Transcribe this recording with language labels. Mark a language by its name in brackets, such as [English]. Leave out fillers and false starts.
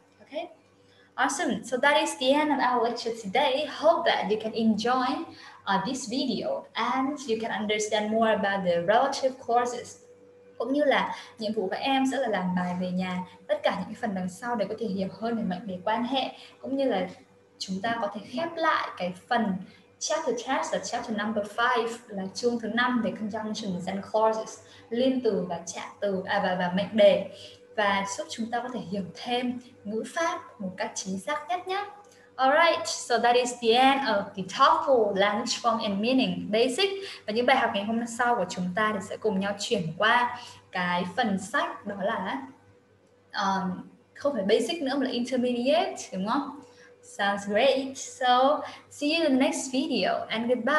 [English] Okay, awesome. So that is the end of our lecture today. Hope that you can enjoy this video and you can understand more about the relative clauses. [Vietnamese] Cũng như là nhiệm vụ của em sẽ là làm bài về nhà tất cả những phần đằng sau để có thể hiểu hơn về mệnh đề quan hệ, cũng như là chúng ta có thể khép lại cái phần chapter test là chapter number 5, là chương thứ 5 về conjunctions and clauses, liên từ và trạng từ và mệnh đề, và giúp chúng ta có thể hiểu thêm ngữ pháp một cách chính xác nhất nhé. [English] Alright, so that is the end of the TOEFL Language Form and Meaning Basic. [Vietnamese] Và những bài học ngày hôm sau của chúng ta thì sẽ cùng nhau chuyển qua cái phần sách, đó là không phải basic nữa mà là intermediate, đúng không? Sounds great. So see you in the next video and goodbye.